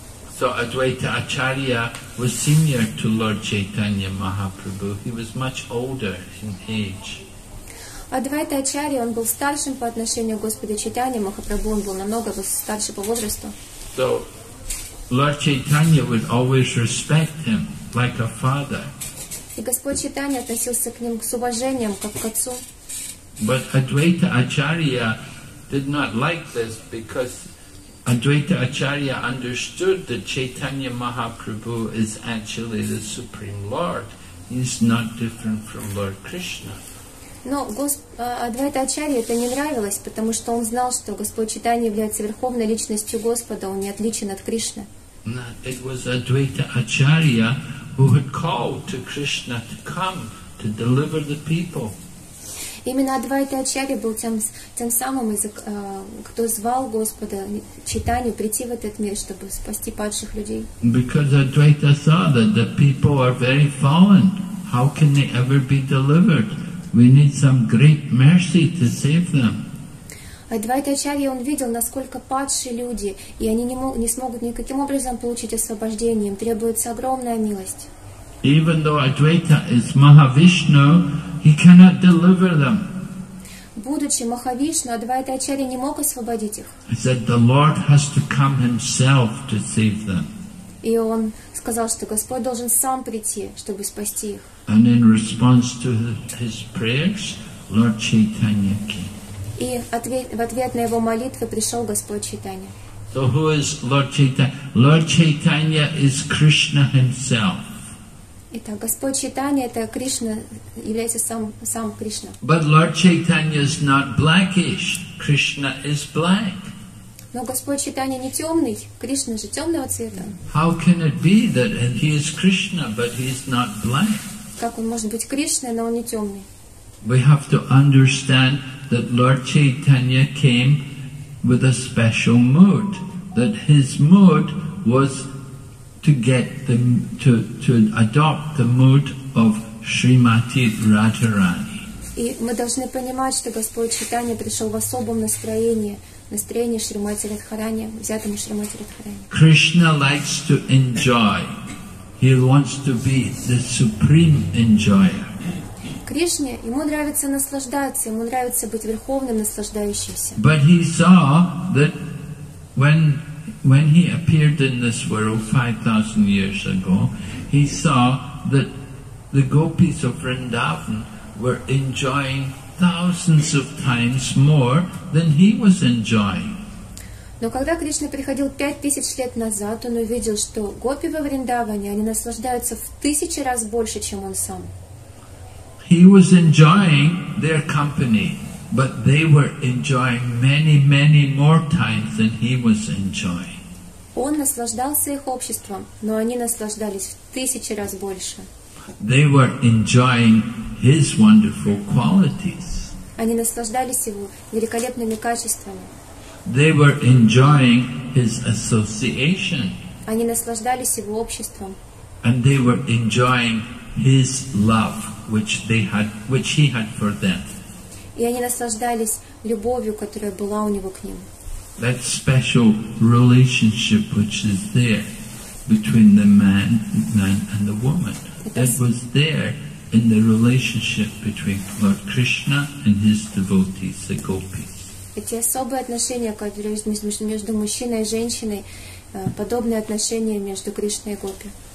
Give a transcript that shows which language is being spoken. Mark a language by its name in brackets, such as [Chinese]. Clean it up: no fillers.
[English] So Advaita Acharya was senior to Lord Chaitanya Mahaprabhu. He was much older in age. [Russian] Advaita Acharya, он был старшим по отношению к Господу Чайтанье Махапрабху. Он был намного старше по возрасту. [English] So Lord Chaitanya would always respect him like a father. [Russian] И Господь Чайтанья относился к ним с уважением, как к отцу. [English] But Advaita Acharya did not like this because Advaita Acharya understood that Chaitanya Mahaprabhu is actually the Supreme Lord. He's not different from Lord Krishna. [Russian] Но Адвайта Ачарья это не нравилось, потому что он знал, что Господь Чайтанья является верховной личностью Господа, он не отличен от Кришны. [English] It was Advaita Acharya who had called to Krishna to come to deliver the people. [Russian] Именно Адвайта Ачарья был тем самым, кто звал Господа Чайтанью прийти в этот мир, чтобы спасти падших людей. [English] Because Advaita saw that the people are very fallen. How can they ever be delivered? We need some great mercy to save them. [Russian] Адвайта Ачарья, он видел, насколько падшие люди, и они не смогут никаким образом получить освобождение. Им требуется огромная милость. [English] Even though Advaita is Mahavishnu, he cannot deliver them. [Russian] будучи Махавишну, Адвайта Ачарья не мог освободить их. [English] He said the Lord has to come himself to save them. [Russian] И он сказал, что Господь должен сам прийти, чтобы спасти их. [English] And in response to his prayers, Lord Chaitanya came. [Russian] И в ответ на его молитвы пришел Господь Чайтанья. [English] So who is Lord Chaitanya? Lord Chaitanya is Krishna himself. [Russian] Итак, Господь Чайтанья — это Кришна, является сам Кришна. [English] But Lord Chaitanya is not blackish. Krishna is black. [Russian] Но Господь Чайтанья не темный, Кришна же темного цвета. [English] How can it be that he is Krishna, but he is not black? [Russian] Как он может быть Кришной, но он не темный? [English] We have to understand that Lord Chaitanya came with a special mood, that his mood was to adopt the mood of Srimati Radharani. [Russian] И мы должны понимать, что Господь Чайтанья пришел в особом настроении, настроении Шримати Радхарани, взятому Шримати Радхарани. [English] Krishna likes to enjoy. He wants to be the supreme enjoyer. [Russian] Кришне, ему нравится наслаждаться, ему нравится быть верховным наслаждающимся. [English] But he saw that when he appeared in this world 5,000 years ago, he saw that the gopis of Vrindavan were enjoying thousands of times more than he was enjoying. [Russian] Но когда Кришна приходил 5,000 лет назад, он увидел, что гопи во Вриндаване, они наслаждаются в тысячи раз больше, чем он сам. [English] He was enjoying their company, but they were enjoying many, many more times than he was enjoying. [Russian] Он наслаждался их обществом, но они наслаждались в тысячи раз больше. [English] They were enjoying his wonderful qualities. [Russian] Они наслаждались его великолепными качествами. [English] They were enjoying his association. [Russian] Они наслаждались его обществом. [English] And they were enjoying his love, which he had for them. [Russian] И они наслаждались любовью, которая была у него к ним. [English] That special relationship which is there between the man and the woman, that was there in the relationship between Lord Krishna and his devotees, the gopis. [Russian] Эти особые отношения, которые есть между мужчиной и женщиной, подобные отношения между Кришной и гопи.